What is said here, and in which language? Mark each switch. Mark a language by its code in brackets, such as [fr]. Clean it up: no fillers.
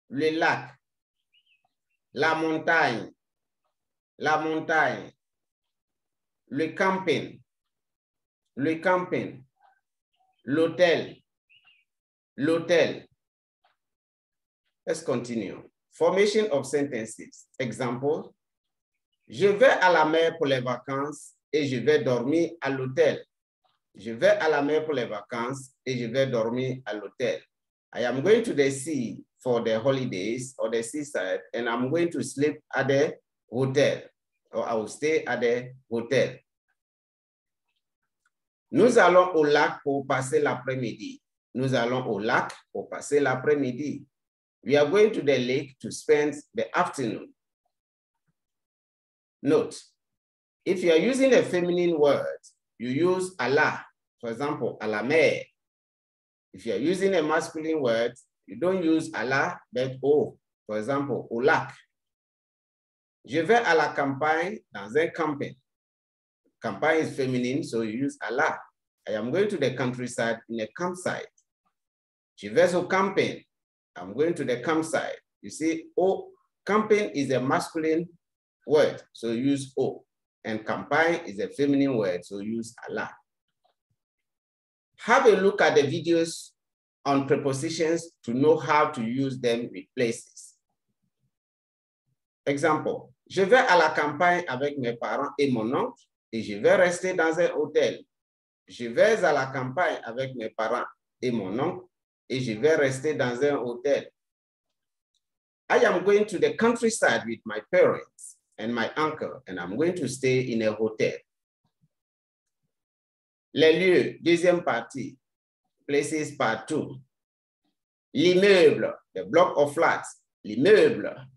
[fr] lac, la montagne, le camping, l'hôtel, l'hôtel. [en] Let's continue. Formation of sentences. Example, [fr] je vais à la mer pour les vacances et je vais dormir à l'hôtel. Je vais à la mer pour les vacances et je vais dormir à l'hôtel. [en] I am going to the sea for the holidays or the seaside and I'm going to sleep at the hotel or I will stay at the hotel. [fr] Nous allons au lac pour passer l'après-midi. Nous allons au lac pour passer l'après-midi. [en] We are going to the lake to spend the afternoon. Note, if you are using a feminine word, you use à la, for example, à la mer. If you are using a masculine word, you don't use à la, but au, for example, au lac. [fr] Je vais à la campagne dans un camping. [en] Campagne is feminine, so you use à la. I am going to the countryside in a campsite. [fr] Je vais au camping. [en] I'm going to the campsite. You see, oh, camping is a masculine word, so use O. And campagne is a feminine word, so use ala. Have a look at the videos on prepositions to know how to use them with places. Example, [fr] je vais à la campagne avec mes parents et mon oncle et je vais rester dans un hôtel. Je vais à la campagne avec mes parents et mon oncle et je vais rester dans un hôtel. [en] I am going to the countryside with my parents and my uncle and I'm going to stay in a hotel. [fr] Les lieux, deuxième partie, [en] places part two. [fr] L'immeuble, [en] the block of flats, [fr] l'immeuble.